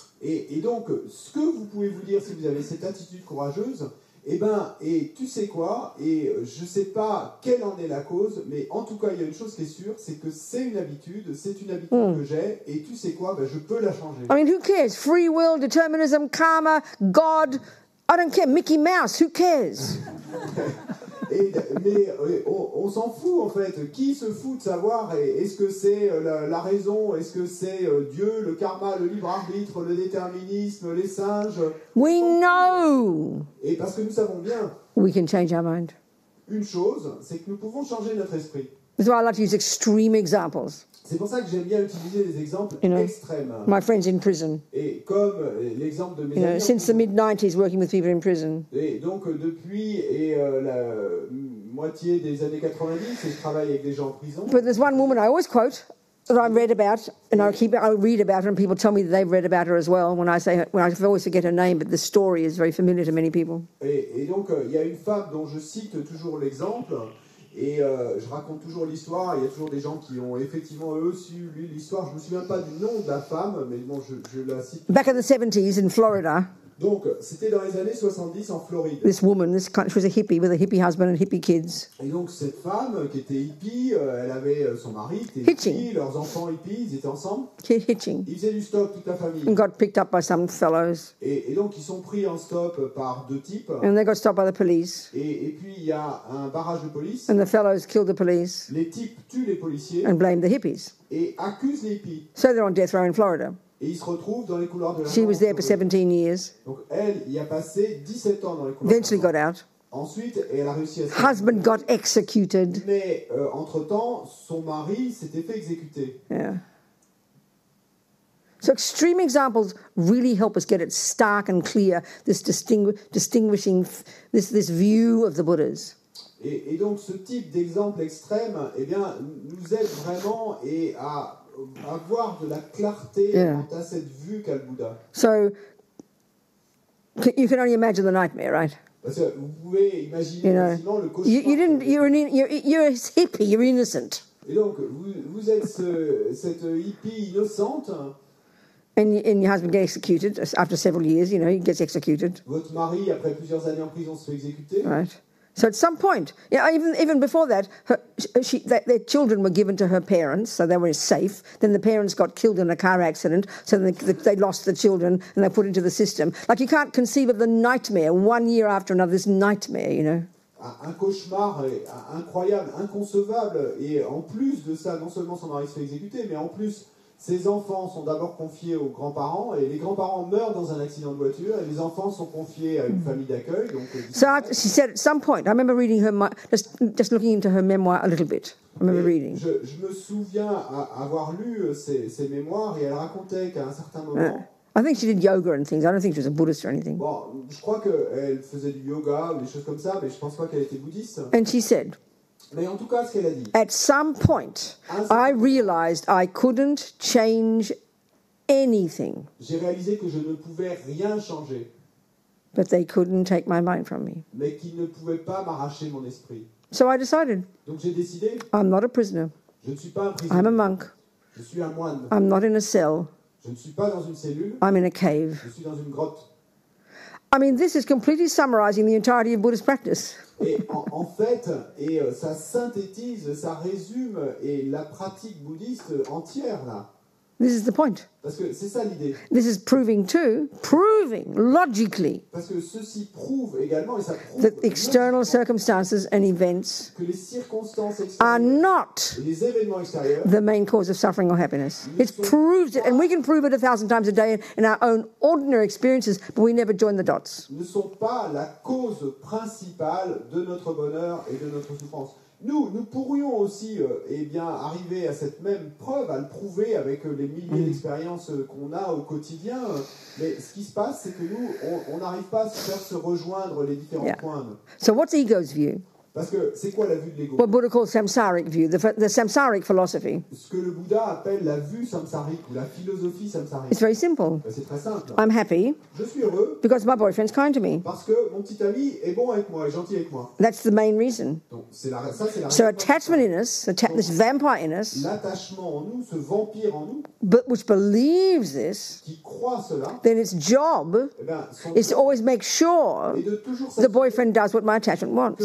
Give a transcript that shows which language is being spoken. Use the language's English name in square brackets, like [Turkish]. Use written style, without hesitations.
[French] Et donc, ce que vous pouvez vous dire si vous avez cette attitude courageuse. Eh ben, et tu sais quoi, et je ne sais pas quelle en est la cause, mais en tout cas, il y a une chose qui est sûre, c'est que c'est une habitude que j'ai, et tu sais quoi, ben, je peux la changer. [English] I mean, who cares? Free will, determinism, karma, God, I don't care, Mickey Mouse, who cares? [French] Mais on s'en fout, en fait. Qui se fout de savoir est-ce que c'est la raison, est-ce que c'est Dieu, le karma, le libre-arbitre, le déterminisme, les singes? [English] We know! [French] Et parce que nous savons bien. [English] We can change our mind. [French] Une chose, c'est que nous pouvons changer notre esprit. [English] That's why I like to use extreme examples. [French] C'est pour ça que j'aime bien utiliser des exemples extrêmes. [English] My friends in prison. [French] Et comme l'exemple de mes amis. [English] Since the mid-90s, working with people in prison. [French] Et donc depuis la moitié des années 90, je travaille avec des gens en prison. [English] But there's one woman I always quote. That I've read about, and I read about her, and people tell me that they've read about her as well. When I always forget her name, but the story is very familiar to many people. [French] Et donc il y a une femme dont je cite toujours l'exemple, et je raconte toujours l'histoire. Il y a toujours des gens qui ont effectivement eux aussi lu l'histoire. Je me souviens pas du nom de la femme, mais bon, je la cite. [English] Back in the 70s in Florida. [French] Donc, c'était dans les années 70 en Floride. [English] This woman, she was a hippie with a hippie husband and hippie kids. [French] Et donc, cette femme qui était hippie, elle avait son mari, était hippie, leurs enfants hippies, ils étaient ensemble. [English] Hitching. [French] Ils faisaient du stop, toute la famille. [English] And got picked up by some fellows. [French] Et donc, ils sont pris en stop par deux types. [English] And they got stopped by the police. [French] Et puis, il y a un barrage de police. [English] And the fellows killed the police. [French] Les types tuent les policiers. [English] And blame the hippies. [French] Et accusent les hippies. [English] So they're on death row in Florida. [French] Et ils se retrouvent dans les couloirs de la [English] She was there for 17 years. [French] Donc elle y a passé 17 ans dans les couloirs. [English] Eventually got out. [French] Ensuite, elle a réussi à s'exécuter. [English] Husband got executed. [French] Mais entre-temps, son mari s'était fait exécuter. [English] Yeah. So extreme examples really help us get it stark and clear, this distinguishing this view of the Buddhas. [French] Et donc ce type d'exemple extrême, eh bien, nous aide vraiment et à avoir de la clarté quant à cette vue qu'a le Bouddha. [English] So you can only imagine the nightmare, right? [French] Parce que vous pouvez imaginer facilement le cauchemar. [English] You're a hippie, you're innocent. [French] Et donc vous êtes cette hippie innocente. [English] And your husband gets executed after several years, you know, he gets executed. [French] Votre mari, après plusieurs années en prison, se fait exécuter. [English] Right. So at some point, yeah, even before that, their children were given to her parents, so they were safe. Then the parents got killed in a car accident, so they lost the children and they put into the system. Like, you can't conceive of the nightmare, one year after another, this nightmare, you know. [French] Un cauchemar incroyable, inconcevable, et en plus de ça, non seulement son mari se fait exécuter, mais en plus... Ses enfants sont d'abord confiés aux grands-parents et les grands-parents meurent dans un accident de voiture et les enfants sont confiés à une famille d'accueil. Donc, [English] so she said at some point, I remember reading her, just looking into her memoir a little bit. I remember reading. [French] Je me souviens avoir lu ses mémoires et elle racontait qu'à un certain moment... [English] I think she did yoga and things. I don't think she was a Buddhist or anything. [French] Bon, je crois qu'elle faisait du yoga ou des choses comme ça, mais je ne pense pas qu'elle était bouddhiste. [English] And she said... [French] Mais en tout cas, ce qu'elle a dit. [English] At some point, I realized I couldn't change anything. [French] J'ai réalisé que je ne pouvais rien changer. [English] But they couldn't take my mind from me. [French] Mais qu'ils ne pouvaient pas m'arracher mon esprit. [English] So I decided. [French] Donc j'ai décidé. [English] I'm not a prisoner. [French] Je ne suis pas un prisonnier. [English] I'm a monk. [French] Je suis un moine. [English] I'm not in a cell. [French] Je ne suis pas dans une cellule. [English] I'm in a cave. [French] Je suis dans une grotte. [English] I mean, this is completely summarizing the entirety of Buddhist practice. [French] Et en fait, ça synthétise, ça résume et la pratique bouddhiste entière, là. [English] This is the point. [French] Parce que c'est ça l'idée. [English] This is proving too, proving logically. [French] Parce que ceci prouve également, et ça prouve... [English] That external circumstances and events [French] que les circonstances [English] are not [French] les événements extérieurs [English] the main cause of suffering or happiness. It proves it, and we can prove it 1,000 times a day in our own ordinary experiences, but we never join the dots. [French] Ne sont pas la cause principale de notre bonheur et de notre souffrance. Nous pourrions aussi arriver à cette même preuve, à le prouver avec les milliers d'expériences qu'on a au quotidien, mais ce qui se passe, c'est que nous, on n'arrive pas à faire se rejoindre les différents points. [English] So what's ego's view? [French] Parce que c'est quoi la vue de l'ego? [English] What Buddha calls samsaric view, the samsaric philosophy. [French] Ce que le Bouddha appelle la vue samsarique, ou la philosophie samsarique. [English] It's very simple. [French] C'est très simple. [English] I'm happy. [French] Je suis heureux. [English] Because my boyfriend's kind to me. [French] Parce que mon petit ami est bon avec moi, est gentil avec moi. [English] That's the main reason. [French] Donc, c'est la raison. [English] So attachment in us, this vampire in us. [French] L'attachement en nous, ce vampire en nous. [English] But which believes this. [French] Qui croit cela. [English] Then its job is to always make sure the boyfriend does what my attachment wants.